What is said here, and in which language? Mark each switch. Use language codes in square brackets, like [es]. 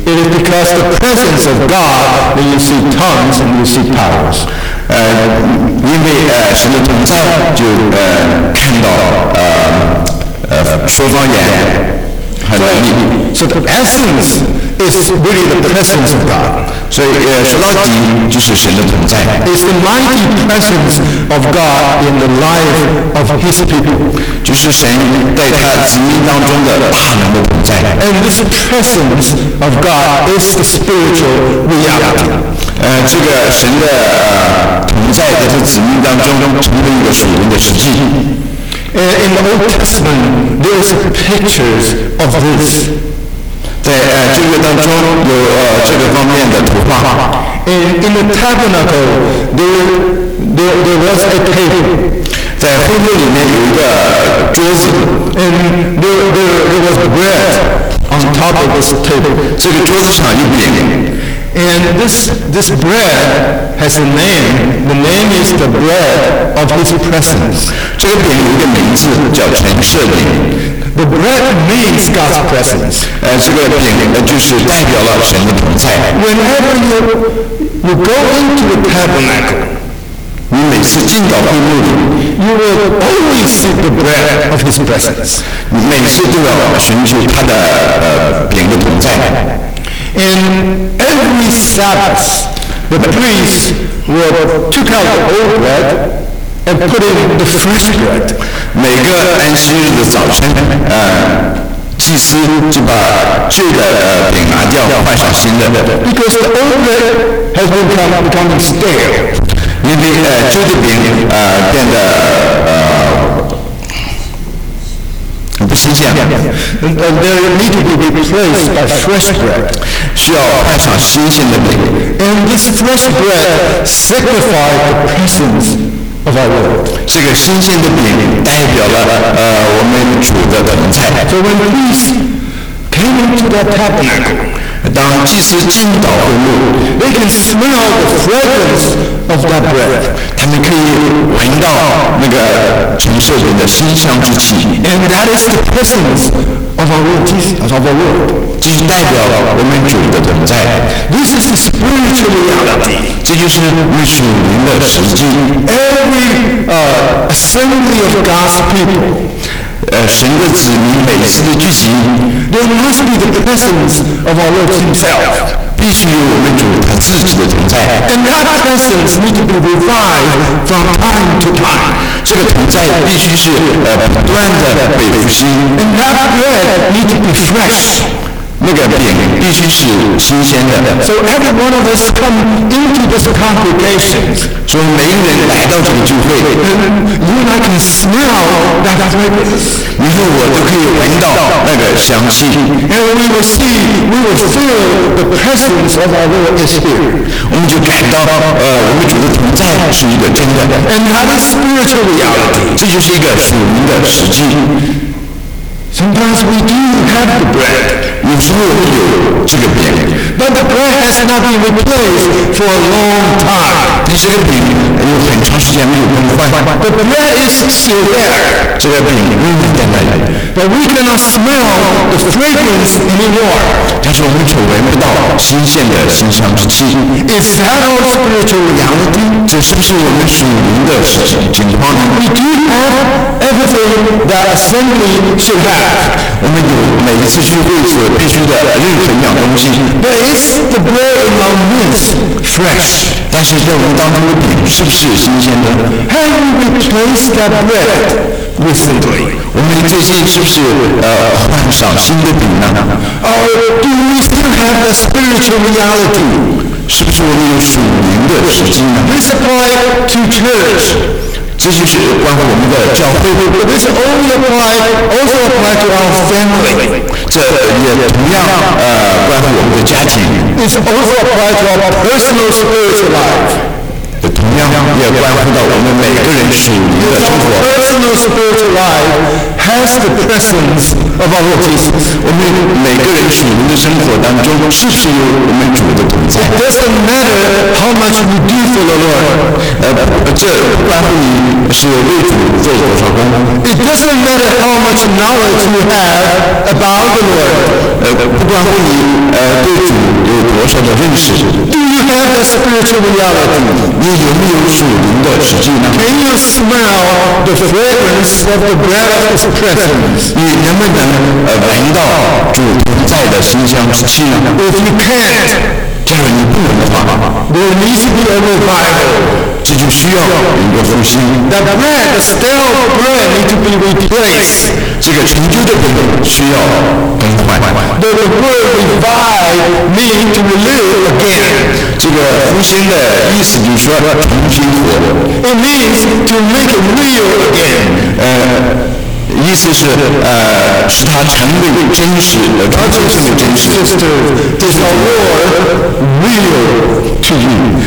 [en] It is because the presence of God that you see tongues and you see powers. [zh] 因为神的同在，就看到说方言，还有能力。So [en] the essence is really the presence of God. [zh] 所以说到底就是神的同在。 [en] It's the mighty presence of God in the life of His people. [zh] 就是神在他子民当中的大能的同在。 [en] And this presence of God is the spiritual reality. [zh] 这个神的同在在这子民当中成为一个属灵的实际。 [en] In the Old Testament, there is pictures of this. [zh] 在旧约当中有这个方面的图画。 [en] In the tabernacle, there was a table. [zh] 在会幕里面有一个桌子。 [en] And there was bread on top of this table. [zh] 这个桌子上有饼。 [en] And this bread has a name. The name is the bread of His presence. [zh] 这个饼有一个名字叫陈设饼。 [en] The bread means God's presence. [zh] 这个饼就是代表了神的同在。 [en] Whenever you go into the tabernacle, [zh] 你每次进到会幕里 [en] ，you will always see the bread of His presence. [zh] 你每次都要寻求他的饼的同在。 [en] And every Sabbath, the priest would took out the old bread and put in the fresh bread. [zh] 每个安息日的早晨，祭司就把旧的饼拿掉，换上新的。 [en] Because the old bread has become stale. [zh] 因为旧的饼变得不新鲜了。 [en] They need to be replaced by fresh bread. [zh] 需要换上新鲜的饼。 [en] And this fresh bread signifies the presence of our Lord. [zh] 这个新鲜的饼代表了我们主的同在。 [en] So when the priest came into that tabernacle, [zh] 当祭司进到会幕 [en] they can smell the fragrance of that bread. [zh] 他们可以闻到那个陈设饼的馨香之气。 [en] And that is the presence of our Lord Jesus, of our Lord. [zh] 这就代表了我们主的存在。 [en] This is the spiritual reality. [zh] 这就是你属灵的实际。 [en] Every assembly of God's people, [zh] 神的子民每次的聚集 [en] there must be the presence of our Lord Himself. [zh] 必须有我们主他自己的存在。 [en] And that presence needs to be revived from time to time. [zh] 这个同在必须是不断的被复兴。 [en] And that bread needs to be fresh. [zh] 那个饼必须是新鲜的。 [en] So every one of us come into this congregation. [zh] 所以每一个人来到这个聚会 [en] ，You and I can smell that fragrance. [zh] 以后我都可以闻到那个香气。 [en] And we will see, we will feel the presence of our Lord is here. [zh] 我们就感到我们主的同在是一个真的。 [en] And that is spiritual reality. [zh] 这就是一个属灵的实际。 [en] Sometimes we do have the bread. [zh] 有时候会有这个饼 [en] ，But the bread has not been replaced for a long time. [zh] 这个饼有很长时间没有更换。 [en] The bread is still there. [zh] 这个饼仍然在那里。 [en] But we cannot smell the fragrance anymore. [zh] 但是我们却闻不到新鲜的馨香之气。 [en] Is that our spiritual reality? [zh] 这是不是我们属灵的情况呢 [en] ？We do have everything that assembly should have. [zh] 我们有每一次聚会所必须的任何一样东西 [en] But is the bread in our midst fresh? [zh] 但是在我们当中的饼是不是新鲜的 [en] Have you replaced that bread recently? [zh] 我们最近是不是换上新的饼呢 [en] Or do we still have a spiritual reality? [zh] 是不是我们有属灵的实际呢 [en] This applies to church. [zh] 这就是关乎我们的教会 [en] But this only apply, also apply to our family. [zh] 这也同样关乎我们的家庭 [en] It's also apply to our personal spiritual life. [zh] 同样也关乎到我们每个人属灵的生活 [en] Our personal spiritual life has the presence of our Lord Jesus. [zh] 我们每个人属灵的生活当中是不是有我们主的同在 [en] It doesn't matter how much we do for the Lord. [zh] 这关乎你是为主做多少工。 [en] It doesn't matter how much knowledge you have about the Lord. [zh] 不关乎你对主有多少的认识。 [en] Do you have a spiritual reality? [zh] 你有没有属灵的实际呢 [en] ？Can you smell the fragrance of the bread of His presence? [zh] 你能不能闻到主同在的馨香之气呢 [en] ？If you can't, [zh] 假如你不能的话 [en] ，There needs to be a revival. [zh] 这就需要一个复兴。 [en] That bread, the stale bread, need to be replaced. [zh] 这个陈旧的饼需要更换。 [en] The word revive means to live again. [zh] 这个复兴的意思就是说重新复活。 [en] It means to make real again. [zh] 意思是使他成为真实的 [en] God says to me, sister, the Lord will to you.